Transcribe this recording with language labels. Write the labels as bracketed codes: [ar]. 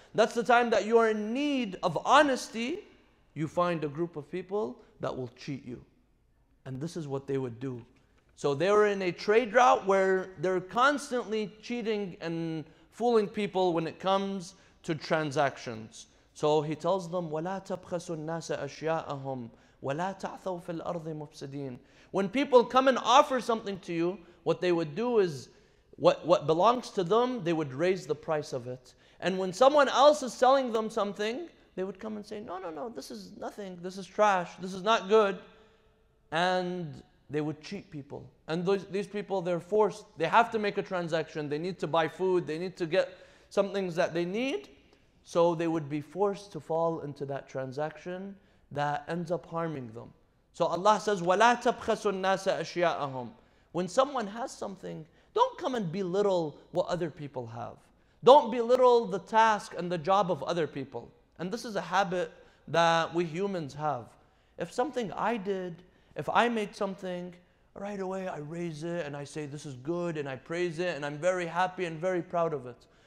[en] That's the time that you are in need of honesty. You find a group of people that will cheat you. And this is what they would do. So they were in a trade route where they're constantly cheating and fooling people when it comes to transactions. So he tells them, [ar] وَلَا تَبْخَسُوا النَّاسَ أَشْيَاءَهُمْ وَلَا تَعْثَوْا فِي الْأَرْضِ مُفْسِدِينَ. [en] When people come and offer something to you, what they would do is, what belongs to them, they would raise the price of it. And when someone else is selling them something, they would come and say, no, this is nothing, this is trash, this is not good. And they would cheat people. And these people, they're forced, they have to make a transaction, they need to buy food, they need to get some things that they need. So they would be forced to fall into that transaction that ends up harming them. So Allah says, [ar] وَلَا تَبْخَسُوا النَّاسَ أَشْيَاءَهُمْ. [en] When someone has something, don't come and belittle what other people have. Don't belittle the task and the job of other people. And this is a habit that we humans have. If something I did, if I made something, right away I raise it and I say this is good and I praise it and I'm very happy and very proud of it.